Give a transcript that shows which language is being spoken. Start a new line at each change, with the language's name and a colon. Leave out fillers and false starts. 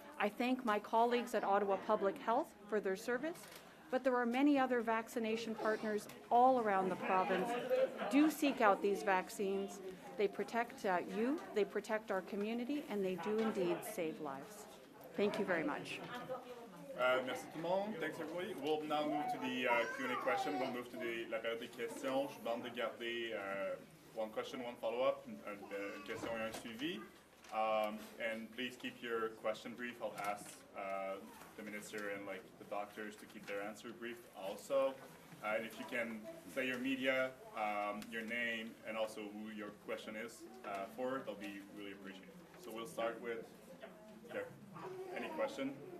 English: I thank my colleagues at Ottawa Public Health for their service, but there are many other vaccination partners all around the province. Do seek out these vaccines. They protect you, they protect our community, and they do indeed save lives. Thank you very much.
French: Merci tout le monde.
English: Thanks everybody. We'll now move to the Q&A question. We'll move to
French: la période des questions. Je demande de garder
English: one question, one follow-up,
French: une question et un suivi.
English: And please keep your question brief. I'll ask the minister and like the doctors to keep their answer brief also. And if you can say your media, your name, and also who your question is for, that'll be really appreciated. So we'll start with there. Any question?